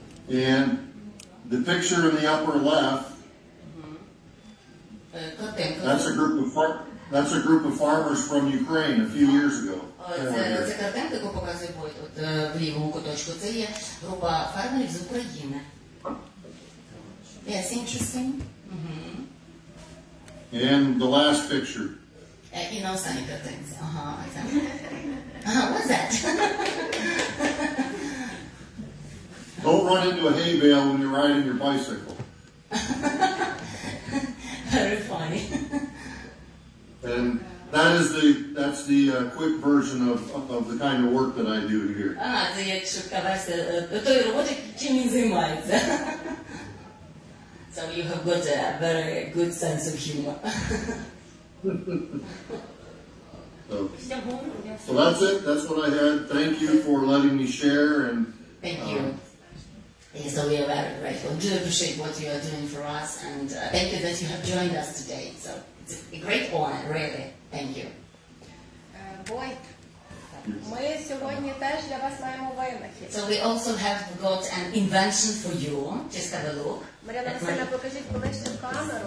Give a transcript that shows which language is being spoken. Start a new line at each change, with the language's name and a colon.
English: And the picture in the upper left, that's a group of farmers from Ukraine a few years ago.
Ukrainian: Це картинка, яку показує Бойт, от в лівому куточку. Це є група фермерів з України.
English: Yes, interesting. And the last picture.
Ukrainian: І на останній картинці. Ага,
English: what's that? Don't run into a hay bale when you're riding your bicycle. Very funny. And that's the quick version of the kind of work that I do here. Ага, це як швидка версія тої роботи, чим він займається. So you have got a very good sense of humor. So that's it. That's what I had. Thank you for letting me share. And thank you. Yes, so we are very grateful. Do appreciate what you are doing for us, and thank you that you have joined us today. So it's a great honor, really. Thank you.
Ukrainian: Boyd, ми сьогодні теж для вас маємо винахід.
English: So we also have got an invention for you. Just have a look.
Ukrainian: Мар'яна, Василівна, покажіть ближче в камеру.